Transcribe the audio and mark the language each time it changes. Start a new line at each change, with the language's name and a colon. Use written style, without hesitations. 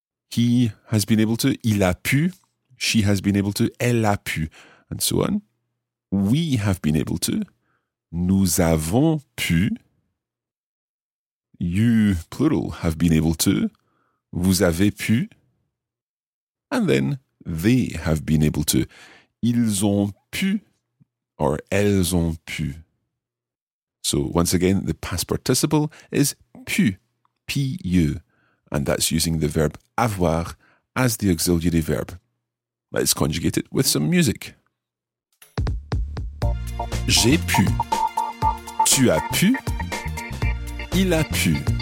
English: He has been able to.
French: Il a pu.
English: She has been able to.
French: Elle a pu.
English: And so on. We have been able to.
French: Nous avons pu.
English: You, plural, have been able to.
French: Vous avez pu.
English: And then, they have been able to.
French: Ils ont pu
English: or
French: elles ont pu.
English: So, once again, the past participle is pu, P-U, and that's using the verb avoir as the auxiliary verb. Let's conjugate it with some music.
French: J'ai pu. Tu as pu. Il a pu.